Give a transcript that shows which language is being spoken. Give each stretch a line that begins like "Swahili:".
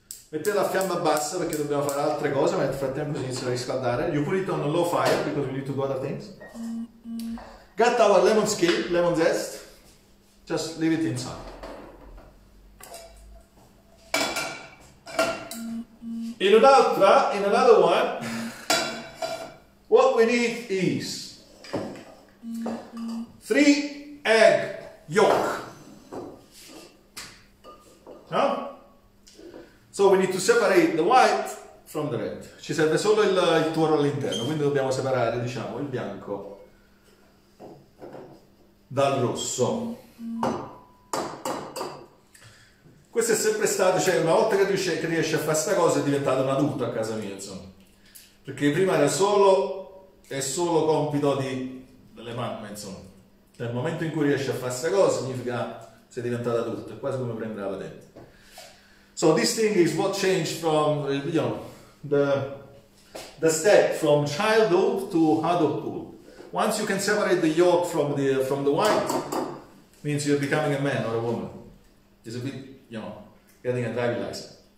Italian: Mettete la fiamma bassa perché dobbiamo fare altre cose, ma nel frattempo si inizia a riscaldare.
English: You put it on a low fire because we need to do other things. Got our lemon skin, lemon zest, just leave it inside. In another one, what we need is 3 egg yolk. Huh? So we need to separate the white from the red.
Italian: Ci serve solo il tuorlo all'interno, quindi dobbiamo separare, diciamo, il bianco dal rosso. Questo è sempre stato, cioè una volta che riesci a fare questa cosa è diventato un adulto a casa mia, insomma, perché prima era solo è solo compito delle mamme, insomma. Nel momento in cui riesci a fare questa cosa significa sei diventato adulto, è quasi come prendere la patente.
English: So this thing is what changed from, you know, the step from childhood to adulthood. Once you can separate the yolk from the white, means you're becoming a man or a woman. It's a bit, you know, getting a driving license.